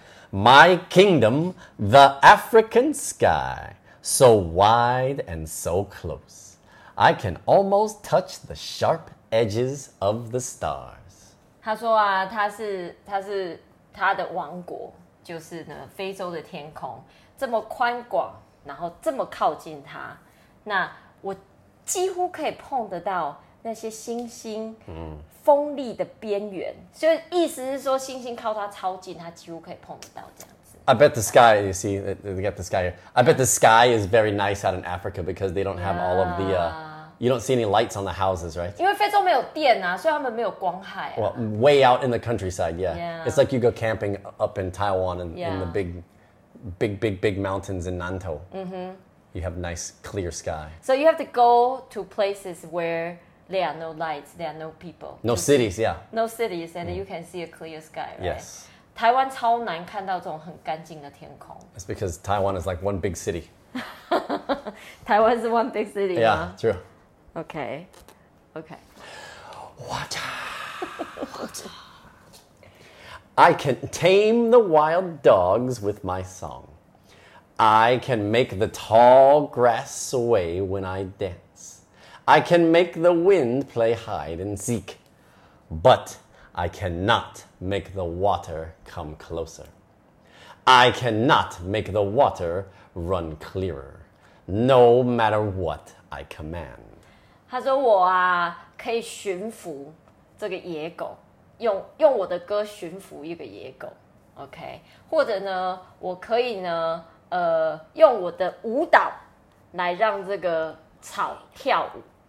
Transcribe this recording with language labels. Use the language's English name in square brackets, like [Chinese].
[English] My kingdom, the African sky, so wide and so close, I can almost touch the sharp. Edges of the stars. [Chinese] 他说啊，他是他的王国，就是呢非洲的天空这么宽广，然后这么靠近他，那我几乎可以碰得到那些星星，锋利的边缘。所以意思是说，星星靠他超近，他几乎可以碰得到这样子。 [English] I bet the sky. You see, they got the sky here. I bet the sky is very nice out in Africa because they don't have all of the. You don't see any lights on the houses, right? Because [Chinese] 非洲没有电啊，所以他们没有光害啊。 [English] Well, way out in the countryside, yeah. It's like you go camping up in Taiwan and in the big, big, big, big mountains in Nantou. You have nice, clear sky. So you have to go to places where there are no lights, there are no people. No cities, yeah. No cities, and you can see a clear sky, right? Yes. [Chinese] 台湾超难看到这种很干净的天空。 [English] It's because Taiwan is like one big city. [Chinese] 台湾是 [English] one big city, yeah, true. Okay, okay. Water! I can tame the wild dogs with my song. I can make the tall grass sway when I dance. I can make the wind play hide and seek. But I cannot make the water come closer. I cannot make the water run clearer, no matter what I command. [Chinese] 他说我啊可以驯服这个野狗，用我的歌驯服一个野狗 ，OK？或者呢，我可以呢，用我的舞蹈来让这个草跳舞。